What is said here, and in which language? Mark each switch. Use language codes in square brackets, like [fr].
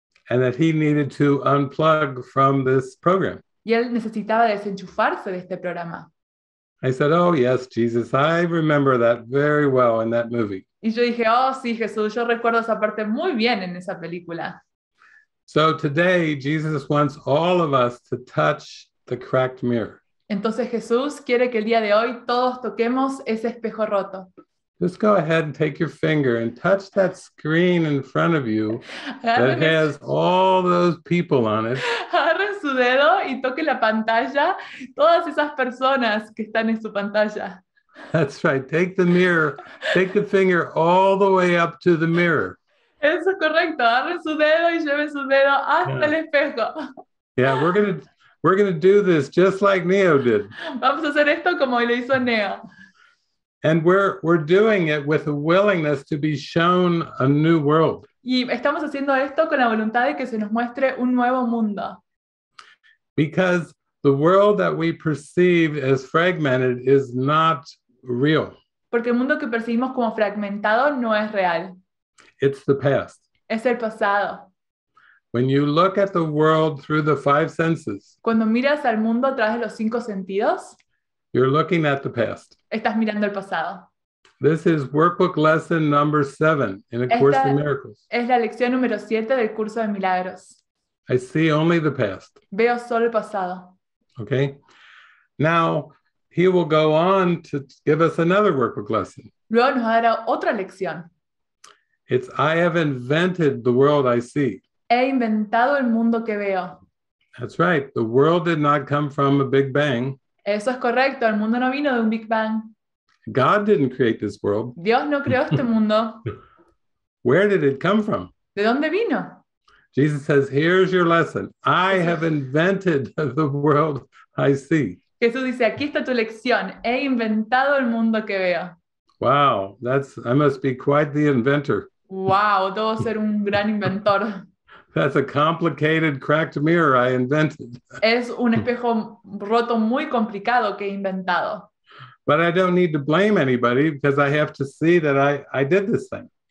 [en] And that he needed to unplug from this program. [es] Y él necesitaba desenchufarse de este programa. [en] I said, oh yes, Jesus, I remember that very well in that movie. [es] Y yo dije, oh sí, Jesús, yo recuerdo esa parte muy bien en esa película. [en] So today, Jesus wants all of us to touch the cracked mirror. [es] Entonces Jesús quiere que el día de hoy todos toquemos ese espejo roto. [en] Just go ahead and take your finger and touch that screen in front of you that has all those people on it. [es] Agarren su dedo y toque la pantalla, todas esas personas que están en su pantalla. [en] That's right. Take the mirror, take the finger all the way up to the mirror. [es] Eso es correcto. Agarren su dedo y lleven su dedo hasta el espejo. [en] Yeah, we're gonna do this just like Neo did. [es] Vamos a hacer esto como lo hizo Neo. [en] And we're doing it with a willingness to be shown a new world. [es] Y estamos haciendo esto con la voluntad de que se nos muestre un nuevo mundo. [en] Because the world that we perceive as fragmented is not real. [es] Porque el mundo que percibimos como fragmentado no es real. [en] It's the past. [es] Es el pasado. [en] When you look at the world through the five senses. [es] Cuando miras al mundo a través de los cinco sentidos. [en] You're looking at the past. [es] Estás mirando el pasado. [en] This is workbook lesson number 7 in A Course in Miracles. [es] Es la lección número 7 del curso de milagros. [en] I see only the past. [es] Veo solo el pasado. [en] Okay. Now, he will go on to give us another workbook lesson. [es] Luego nos dará otra lección. [en] It's I have invented the world I see. [es] He inventado el mundo que veo. [en] That's right. The world did not come from a Big Bang. [es] Eso es correcto. El mundo no vino de un Big Bang. [en] God didn't create this world. [es] Dios no creó este mundo. [en] Where did it come from? [es] ¿De dónde vino? [en] Jesus says, here's your lesson. I have invented the world I see. [es] Jesús dice, aquí está tu lección. He inventado el mundo que veo. [en] Wow, I must be quite the inventor. [es] Wow, debo ser un gran inventor. [en] That's a complicated cracked mirror I invented. [es] Es un espejo roto muy complicado que he inventado. [en] But I don't need to blame anybody because I have to see that I did this thing.